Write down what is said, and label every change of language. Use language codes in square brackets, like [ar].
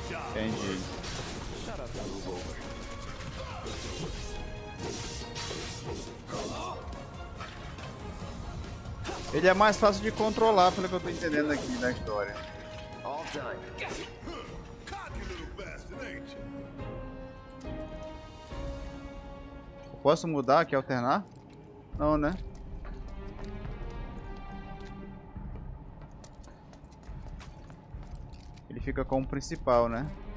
[pt] Entendi. Ele é mais fácil de controlar, pelo que eu tô entendendo aqui na história. [en] All done. Cocky little bastard, ain't you? [pt] Posso mudar aqui, alternar? Não, né? Ele fica como principal, né?